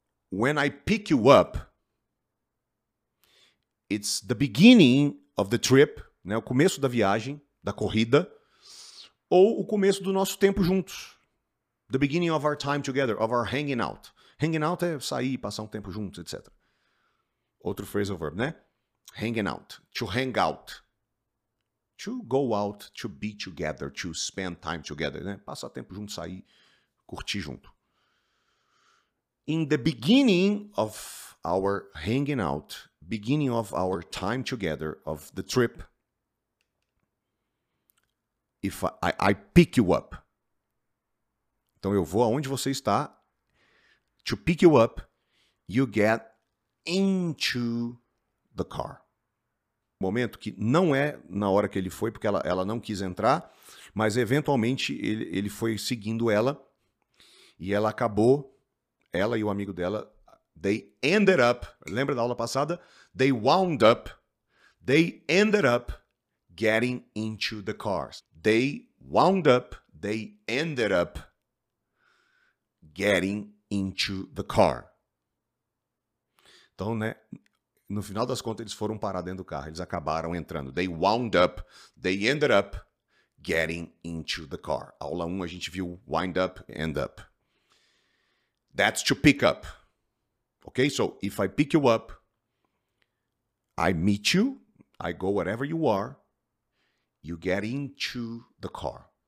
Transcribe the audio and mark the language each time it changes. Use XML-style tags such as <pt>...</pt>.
<en>When I pick you up, it's the beginning of the trip, né?</en> <pt>O começo da viagem, da corrida, ou o começo do nosso tempo juntos.</pt> <en>The beginning of our time together, of our hanging out.</en> <pt>Hanging out é sair, passar um tempo juntos, etc.</pt> <en>Outro phrasal verb, né? Hanging out. To hang out. To go out, to be together, to spend time together, né?</en> <pt>Passar tempo junto, sair, curtir junto.</pt> <en>In the beginning of our hanging out, beginning of our time together, of the trip, if I pick you up.</en> <pt>Então eu vou aonde você está,</pt> <en>to pick you up, you get into the car.</en> <pt>Momento que não é na hora que ele foi, porque ela não quis entrar, mas eventualmente ele foi seguindo ela, e ela acabou, ela e o amigo dela,</pt> <en>they ended up,</en> <pt>lembra da aula passada?</pt> <en>They wound up, they ended up getting into the car. They wound up, they ended up getting into the car.</en> <pt>Então, né, no final das contas, eles foram parar dentro do carro. Eles acabaram entrando.</pt> <en>They wound up, they ended up getting into the car.</en> <pt>Aula 1, a gente viu</pt> <en>wind up, end up. That's to pick up. Okay, so if I pick you up, I meet you, I go wherever you are, you get into the car.</en>